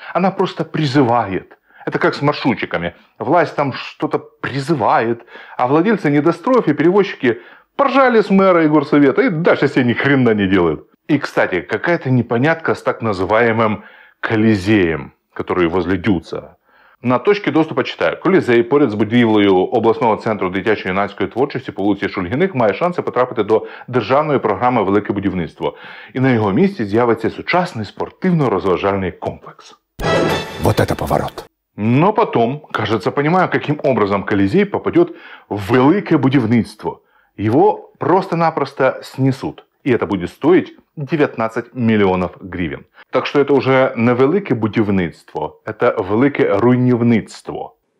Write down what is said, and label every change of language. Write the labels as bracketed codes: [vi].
[ru] Она просто призывает. Это как с маршрутчиками. Власть там что-то призывает, а владельцы недостроев и перевозчики поржали с мэра и горсовета и дальше себе ни хрена не делают. И, кстати, какая-то непонятка с так называемым Колизеем, который возле Дюца. На точке доступа читаю. [uk] Колизей поряд с будівлею областного центру дитячої юнацької творчості по вулиці Шульгіних має шанси потрапити до державної програми «Велике будівництво». І на його місці з'явиться сучасний спортивно-розважальний комплекс. [ru] Вот это поворот. Но потом, кажется, понимаю, каким образом Колизей попадет в «Велике будівництво». Его просто-напросто снесут. И это будет стоить 19 миллионов гривен. Так что это уже не [uk] велике будівництво, [ru] это [uk] велике руйнівництво.